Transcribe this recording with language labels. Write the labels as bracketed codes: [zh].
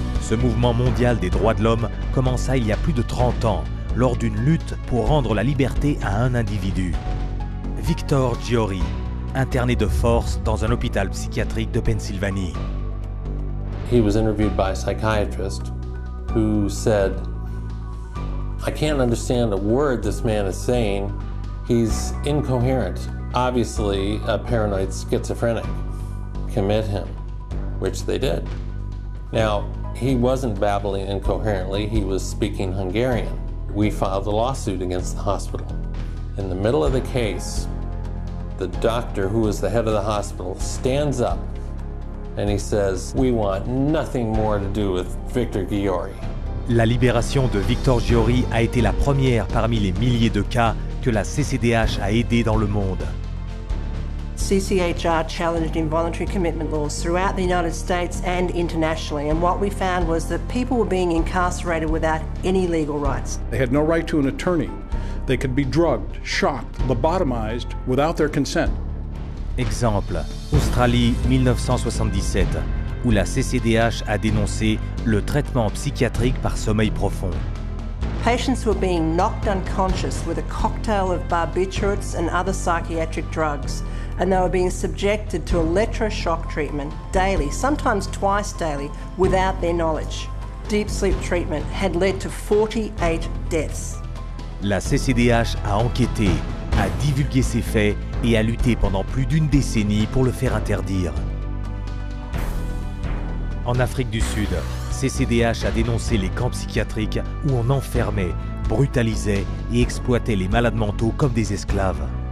[fr] Ce mouvement mondial des droits de l'homme commença il y a plus de 30 ans, lors d'une lutte pour rendre la liberté à un individu. Victor Giori, interné de force dans un hôpital psychiatrique de Pennsylvanie. [en] He was interviewed by a psychiatrist who said, I can't understand a word this man is saying. He's incoherent. Obviously, a paranoid schizophrenic. Commit him, which they did. Now, he wasn't babbling incoherently. He was speaking Hungarian. We filed a lawsuit against the hospital. In the middle of the case, the doctor, who was the head of the hospital, stands up and he says, we want nothing more to do with Victor Giori. [fr] La libération de Victor Giori a été la première parmi les milliers de cas que la CCDH a aidé dans le monde. [en] CCHR challenged involuntary commitment laws throughout the United States and internationally, and what we found was that people were being incarcerated without any legal rights. They had no right to an attorney. They could be drugged, shot, lobotomized without their consent. [fr] Exemple, Australie 1977, où la CCDH a dénoncé le traitement psychiatrique par sommeil profond. [en] Patients were being knocked unconscious with a cocktail of barbiturates and other psychiatric drugs, and they were being subjected to electroshock treatment daily, sometimes twice daily, without their knowledge. Deep sleep treatment had led to 48 deaths. [fr] La CCDH a enquêté, a divulgué ces faits et a lutté pendant plus d'une décennie pour le faire interdire. En Afrique du Sud, CCDH a dénoncé les camps psychiatriques où on enfermait, brutalisait et exploitait les malades mentaux comme des esclaves.